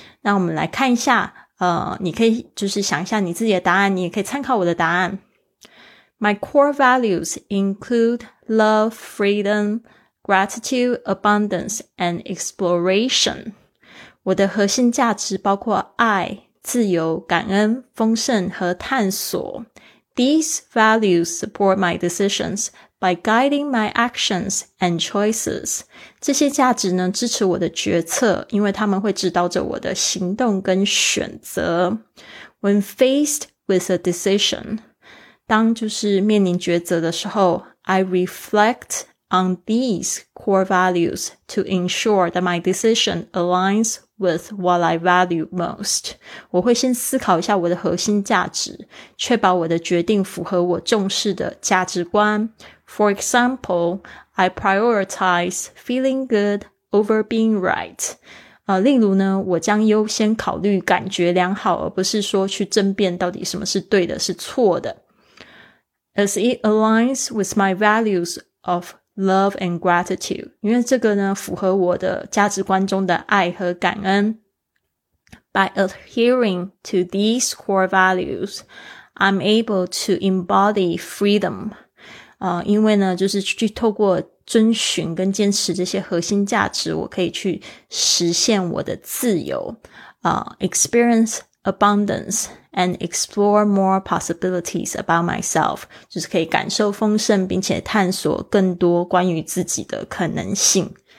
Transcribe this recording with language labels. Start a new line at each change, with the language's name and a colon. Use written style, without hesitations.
Chinese: 那我们来看一下，你可以就是想一下你自己的答案，你也可以参考我的答案。
English: My core values include love, freedomGratitude, abundance, and exploration.
Chinese: 我的核心价值包括爱、自由、感恩、丰盛和探索。
English: These values support my decisions by guiding my actions and choices.
Chinese: 这些价值呢，支持我的决策，因为他们会指导着我的行动跟选择。
English: When faced with a decision,
Chinese: 当就是面临抉择的时候，
English: I reflect on these core values to ensure that my decision aligns with what I value most.
Chinese: 我会先思考一下我的核心价值，确保我的决定符合我重视的价值观。
English: For example, I prioritize feeling good over being right.
Chinese: 例如呢，我将优先考虑感觉良好，而不是说去争辩到底什么是对的，是错的。
English: As it aligns with my values of love and gratitude.
Chinese: 因为这个呢，符合我的价值观中的爱和感恩。
English: By adhering to these core values, I'm able to embody freedom.
Chinese: 因为呢，就是去透过遵循跟坚持这些核心价值，我可以去实现我的自由。
English: Experience abundance. And explore more possibilities about myself.
Chinese: 就是可以感受丰盛并且探索更多关于自己的可能性。